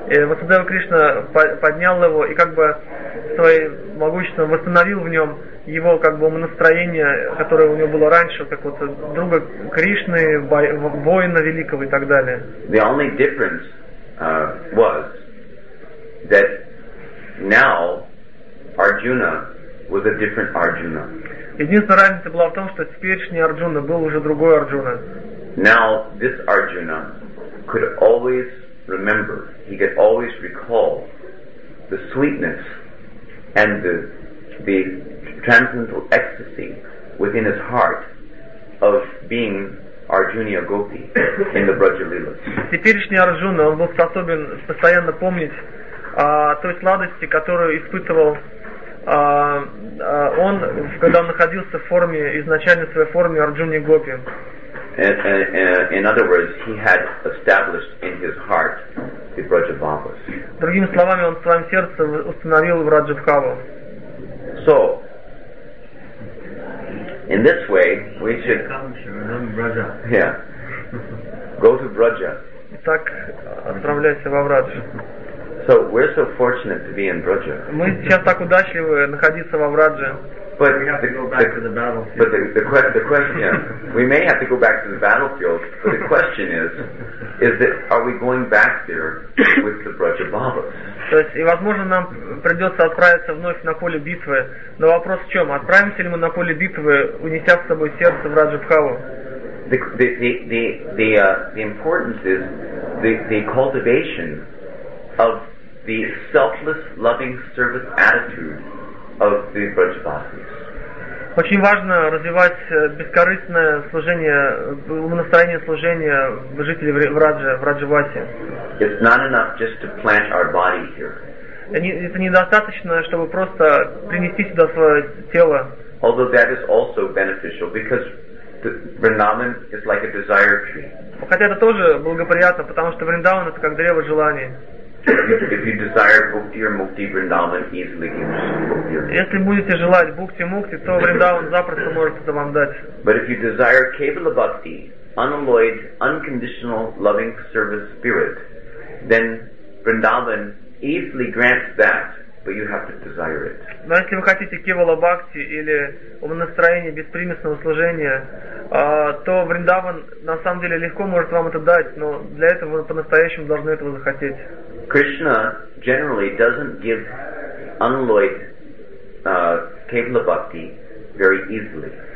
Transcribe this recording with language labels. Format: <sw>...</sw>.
<ru>И Васудева Кришна поднял его и как бы своей могуществом восстановил в нем его как бы настроение, которое у него было раньше, как вот друга Кришны, воина великого и так далее.</ru> <en>The only difference was that now Arjuna was a different Arjuna.</en> <ru>Единственная разница была в том, что теперешний Арджуна был уже другой Арджуна.</ru> <en>Now this Arjuna could always remember, he could always recall the sweetness and the transcendental ecstasy within his heart of being Arjuna Gopi in the Braja Lila.</en> <ru>Теперешний Арджуна, он был способен постоянно помнить той сладости, которую испытывал он, когда он находился в форме, изначально своей форме Арджуны Гопи.</ru> <en>In other words, he had established in his heart the Braja Bhavas.</en> <ru>Другими словами, он в своем сердце установил Браджа Бхаву.</ru> <en>So, in this way, we should go to Braja.</en> <ru>Итак, отправляйся во Врадж.</ru> <en>So we're so fortunate to be in Braja.</en> <ru>Мы сейчас так удачливы находиться во Врадже.</ru> <en>But we have to go back to the battlefield. But the question, we may have to go back to the battlefield. But the question is that are we going back there with the Braja Bhavas?</en> <ru>То есть, и возможно, нам придется отправиться вновь на поле битвы. Но вопрос в чем? Отправимся ли мы на поле битвы, унеся с собой сердце в Раджа Бхаву?</ru> <en>The importance is the cultivation of the selfless, loving service attitude of the Vrajavasis.</en> <ru>Очень важно развивать бескорыстное служение, настроение служения жителей Враджа, Враджаваси.</ru> <en>It's not enough just to plant our body here.</en> <ru>Это недостаточно, чтобы просто принести сюда свое тело.</ru> <en>Although that is also beneficial, because Vrindavan is like a desire tree.</en> <ru>Хотя это тоже благоприятно, потому что Вриндаван — это как древо желаний.</ru> <en>If you desire bhakti or mukti, Vrindavan easily gives you bhakti.</en> <ru>Если будете желать бхакти мукти, то Вриндаван запросто может это вам дать.</ru> <en>But if you desire kevala bhakti, unalloyed, unconditional, loving service spirit, then Vrindavan easily grants that, but you have to desire it.</en> <ru>Но если вы хотите кевала бхакти или настроение беспримесного служения, то Вриндаван на самом деле легко может вам это дать, но для этого вы по-настоящему должны этого захотеть.</ru> <en>Krishna generally doesn't give unalloyed kevala bhakti very easily.</en>